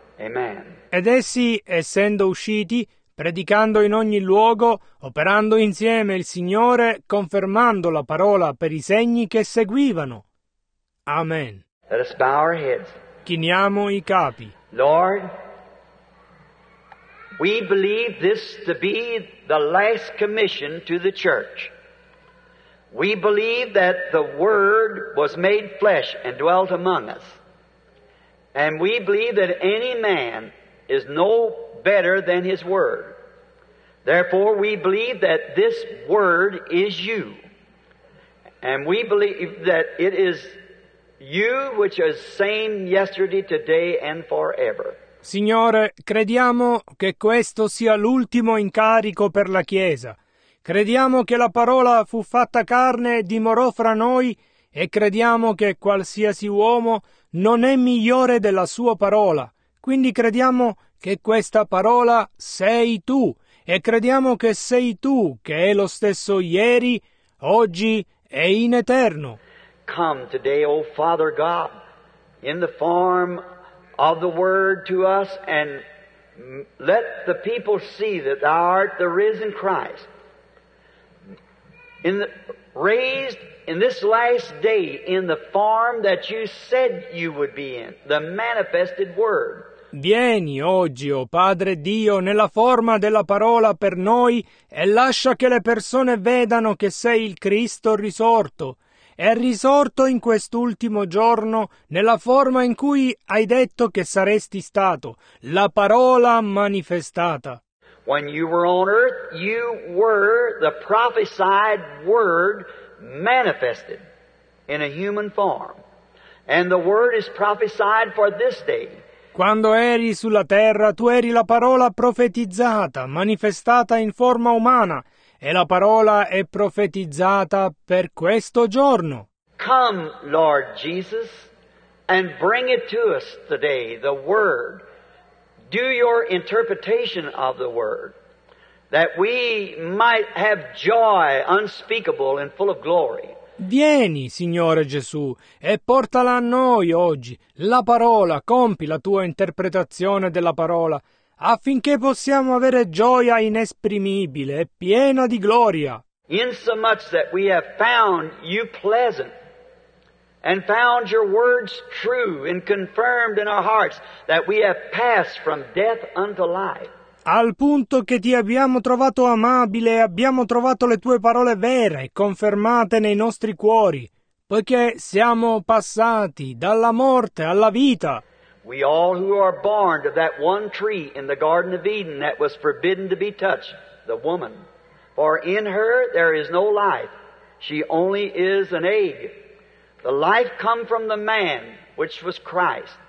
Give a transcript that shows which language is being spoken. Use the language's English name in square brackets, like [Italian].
[English] Amen. [Italian] Ed essi, essendo usciti, predicando in ogni luogo, operando insieme il Signore, confermando la parola per i segni che seguivano. [English] Amen. Let us bow our heads. [Italian] Chiniamo i capi. [English] Lord, we believe this to be the last commission to the church. We believe that the Word was made flesh and dwelt among us. And we believe that any man is no better than his Word. Therefore, we believe that this Word is you. And we believe that it is you which is same yesterday, today, and forever. [Italian] Signore, crediamo che questo sia l'ultimo incarico per la Chiesa. Crediamo che la parola fu fatta carne e dimorò fra noi, e crediamo che qualsiasi uomo non è migliore della sua parola. Quindi crediamo che questa parola sei tu, e crediamo che sei tu che è lo stesso ieri, oggi e in eterno. [English] Come today, O Father God, in the form of the Word to us, and let the people see that thou art the risen Christ. Raised in this last day in the form that you said you would be in, the manifested Word. [Italian] Vieni oggi, o Padre Dio, nella forma della parola per noi e lascia che le persone vedano che sei il Cristo risorto. È risorto in quest'ultimo giorno nella forma in cui hai detto che saresti stato, la parola manifestata. [English] When you were on earth, you were the prophesied word manifested in a human form. And the word is prophesied for this day. [Italian] Quando eri sulla terra, tu eri la parola profetizzata, manifestata in forma umana, e la parola è profetizzata per questo giorno. [English] Come, Lord Jesus, and bring it to us today, the word. Do your interpretation of the word, that we might have joy unspeakable and full of glory. [Italian] Vieni, Signore Gesù, e portala a noi oggi la parola, compi la tua interpretazione della parola, affinché possiamo avere gioia inesprimibile e piena di gloria. [English] Insomuch that we have found you pleasant, and found your words true and confirmed in our hearts, that we have passed from death unto life. [Italian] Al punto che ti abbiamo trovato amabile e abbiamo trovato le tue parole vere e confermate nei nostri cuori, poiché siamo passati dalla morte alla vita. [English] We all who are born of that one tree in the Garden of Eden that was forbidden to be touched, the woman, for in her there is no life, she only is an egg. The life come from the man, which was Christ.